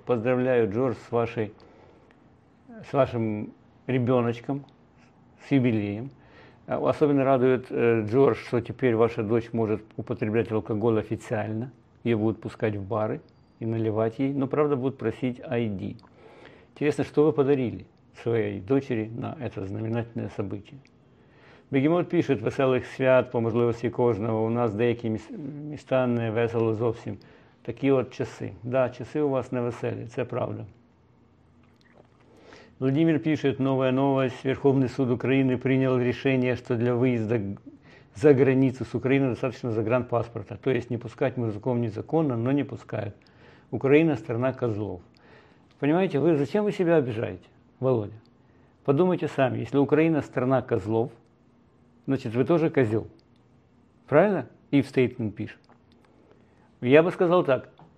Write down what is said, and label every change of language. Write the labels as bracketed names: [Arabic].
[Russian] Поздравляю, Джордж, с вашим ребеночком, с юбилеем. Особенно радует Джордж, что теперь ваша дочь может употреблять алкоголь официально. Ее будут пускать в бары и наливать ей, но, правда, будут просить ID. Интересно, что вы подарили своей дочери на это знаменательное событие? Бегемот пишет, [Ukrainian] веселых свят, по можливості кожного, у нас деякі міста не весело зовсім. Такі от часи. Да, часи у вас не веселі, це правда. [Russian] Владимир пишет, новая новость, Верховный суд Украины принял решение, что для выезда за границу с Украины достаточно загранпаспорта. То есть не пускать мужиков незаконно, но не пускают. Украина страна козлов. Понимаете, вы зачем вы себя обижаете, Володя? Подумайте сами, если Украина страна козлов, значит, вы тоже козел. Правильно? Ив Стейтман пишет. Я бы сказал так.